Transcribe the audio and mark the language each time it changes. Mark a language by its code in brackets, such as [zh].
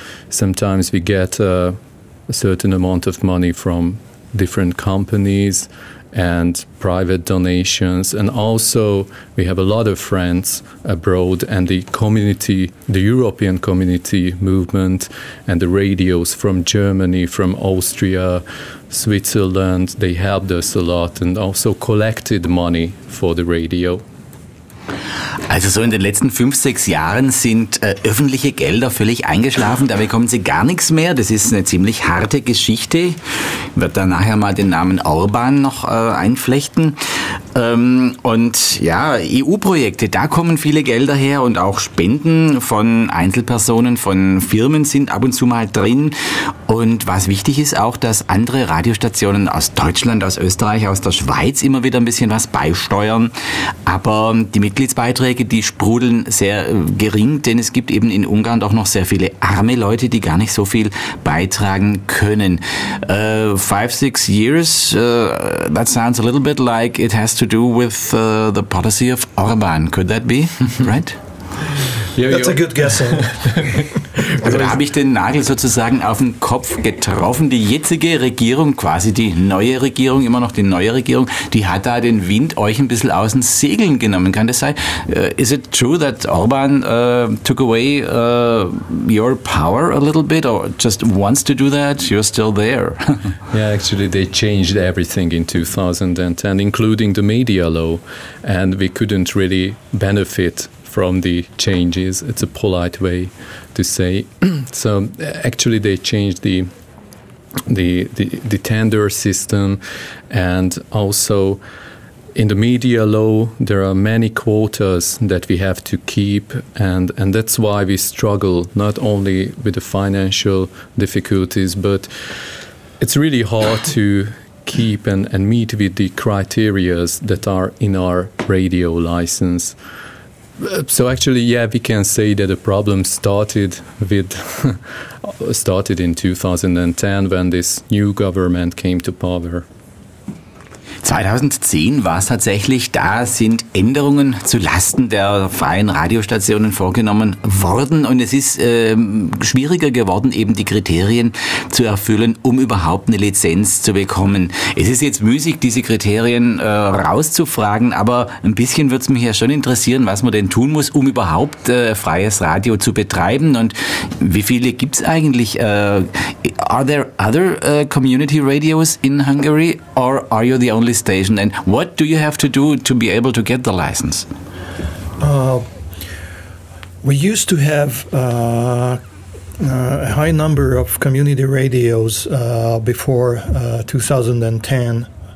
[en] Sometimes we get a certain amount of money from different companies and private donations, and also we have a lot of friends abroad, and the community, the European community movement, and the radios from Germany, from Austria, Switzerland, they helped us a lot and also collected money for the radio. [de] Also so in den letzten 5-6 Jahren sind öffentliche Gelder völlig eingeschlafen, da bekommen sie gar nichts mehr. Das ist eine ziemlich harte Geschichte. Ich werde da nachher mal den Namen Orban noch einflechten. Und ja, EU-Projekte, da kommen viele Gelder her, und auch Spenden von Einzelpersonen, von Firmen sind ab und zu mal drin. Und was wichtig ist auch, dass andere Radiostationen aus Deutschland, aus Österreich, aus der Schweiz immer wieder ein bisschen was beisteuern. Aber die Mitgliedsbeiträge, die sprudeln sehr gering, denn es gibt eben in Ungarn doch noch sehr viele arme Leute, die gar nicht so viel beitragen können. [en] 5-6 years, that sounds a little bit like it has to do with the policy of Orban. Could that be? Right? Yeah, that's a good guessing. [de] Also da habe ich den Nagel sozusagen auf den Kopf getroffen. Die jetzige Regierung, quasi die neue Regierung, immer noch die neue Regierung, die hat da den Wind euch ein bisschen aus den Segeln genommen. Kann das sein? [en] Is it true that Orban took away your power a little bit, or just wants to do that? You're still there. Yeah, actually they changed everything in 2010, including the media law, and we couldn't really benefit from the changes. It's a polite way to say. So actually they changed the tender system, and also in the media law there are many quotas that we have to keep, and that's why we struggle not only with the financial difficulties, but it's really hard to keep and meet with the criterias that are in our radio license. So actually, yeah, we can say that the problem started with started in 2010 when this new government came to power. [de] 2010 war es tatsächlich, da sind Änderungen zu Lasten der freien Radiostationen vorgenommen worden, und es ist schwieriger geworden, eben die Kriterien zu erfüllen, um überhaupt eine Lizenz zu bekommen. Es ist jetzt müßig, diese Kriterien rauszufragen, aber ein bisschen würde es mich ja schon interessieren, was man denn tun muss, um überhaupt freies Radio zu betreiben, und wie viele gibt es eigentlich? Are there other community radios in Hungary, or are you the only station, and what do you have to do to be able to get the license? We used to have a high number of community radios before 2010.